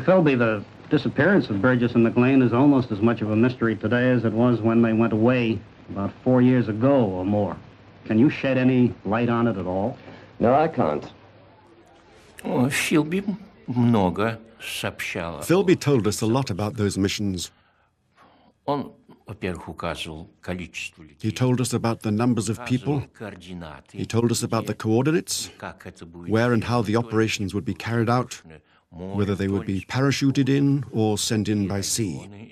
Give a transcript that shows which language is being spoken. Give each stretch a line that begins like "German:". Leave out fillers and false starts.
English: Philby, the disappearance of Burgess and MacLean is almost as much of a mystery today as it was when they went away about 4 years ago or more. Can you shed any light on it at all? No, I can't.
Russian: Oh, Philby, много сообщало.
English: Philby told us a lot about those missions.
Russian: Он, во-первых, указывал количество людей.
English: He told us about the numbers of people.
Russian: Координаты.
English: He told us about the coordinates.
Russian: Как это будет?
English: Where and how the operations would be carried out, whether they would be parachuted in or sent in by sea.